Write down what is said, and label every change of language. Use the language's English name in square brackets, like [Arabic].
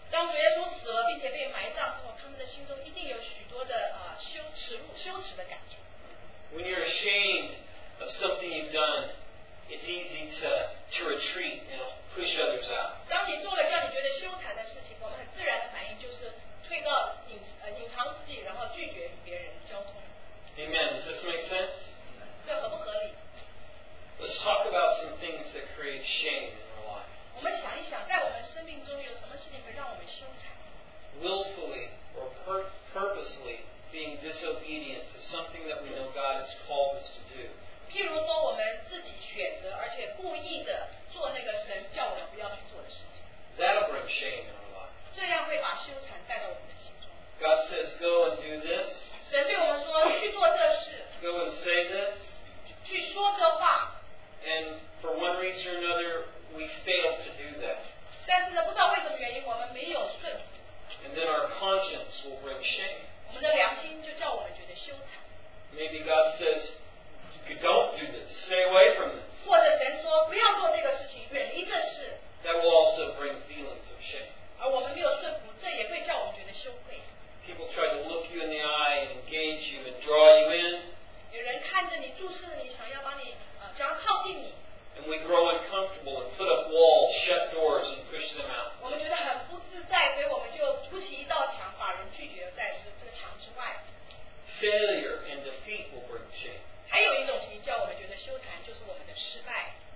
[Chinese] 当主耶稣死了并且被埋葬之后，他们的心中一定有许多的羞耻的感觉。 [English] When you're ashamed of something you've done, it's easy to retreat and push others out. [Chinese] 当你做了让你觉得羞耻的事情，我们很自然的反应就是退到隐藏自己，然后拒绝与别人交通。 [English] Amen. Does this make sense? [Chinese] 这合不合理？ [English] Let's talk about some things that create shame in our life. [Chinese] 我们想一想，在我们生命中有什么事情会让我们羞耻？ [English] Willfully or purposely being disobedient to something that we know God has called us to do. [Chinese] 譬如说，我们自己选择而且故意的做那个神叫我们不要去做的事情。 [English] That'll bring shame in our life. [Chinese] 这样会把羞耻带到我们的心中。 [English] God says, "Go and do this." [Chinese] 神对我们说去做这事。 [English] Go and say this. [Chinese] 去说这话, [English] and for one reason or another, we fail to do that. [Chinese] 但是呢，不知道为什么原因，我们没有顺服。 [English] And then our conscience will bring shame. [Chinese] 我们的良心就叫我们觉得羞耻。 [English] Maybe God says, "Don't do this. Stay away from this." [Chinese] 或者神说不要做这个事情，远离这事。 [English] That will also bring feelings of shame. [Chinese] 而我们没有顺服，这也会叫我们觉得羞愧。 [English] People try to look you in the eye and engage you and draw you in. [Chinese] 有人看着你，注视着你，想要把你，想要靠近你。 [English] And we grow uncomfortable and put up walls, shut doors, and push them out. [Chinese] 我们觉得很不自在，所以我们就筑起一道墙，把人拒绝在这个墙之外。 [English] Failure and defeat will bring shame. [Chinese] 还有一种情形叫我们觉得羞耻，就是我们的失败。